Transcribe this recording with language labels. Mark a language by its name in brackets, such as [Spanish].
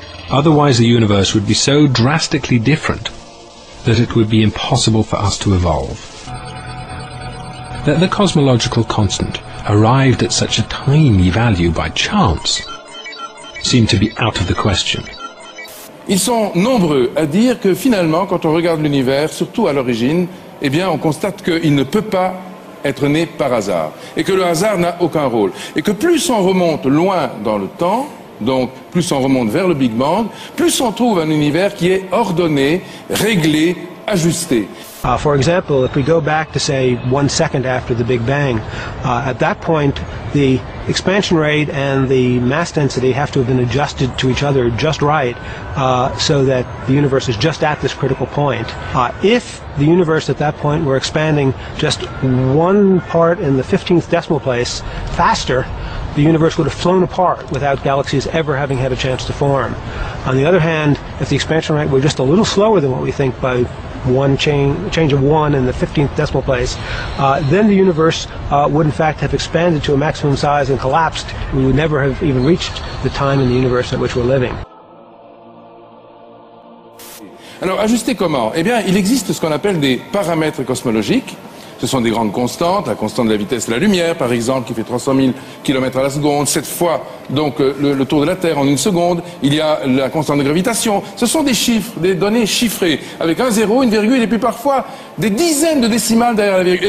[English] Otherwise, the universe would be so drastically different that it would be impossible for us to evolve. That the cosmological constant arrived at such a tiny value by chance seemed to be out of the question. [French] Ils sont nombreux à dire que finalement, quand on regarde l'univers, surtout à l'origine, eh bien, on constate qu'il ne peut pas être né par hasard, et que le hasard n'a aucun rôle, et que plus on remonte loin dans le temps, donc plus on remonte vers le Big Bang, plus on trouve un univers qui est ordonné, réglé, ajusté. [English] For example, if we go back to say 1 second after the Big Bang, at that point the expansion rate and the mass density have to have been adjusted to each other just right, so that the universe is just at this critical point. If the universe at that point were expanding just one part in the 15th decimal place faster, the universe would have flown apart without galaxies ever having had a chance to form. On the other hand, if the expansion rate were just a little slower than what we think by change of one in the 15th decimal place, then the universe would in fact have expanded to a maximum size and collapsed. We would never have even reached the time in the universe at which we're living. [French] Alors, ajuster comment? Eh bien, il existe ce qu'on appelle des paramètres cosmologiques. Ce sont des grandes constantes, la constante de la vitesse de la lumière, par exemple, qui fait 300 000 km à la seconde, 7 fois donc le tour de la Terre en une seconde. Il y a la constante de gravitation. Ce sont des chiffres, des données chiffrées, avec un zéro, une virgule, et puis parfois des dizaines de décimales derrière la virgule.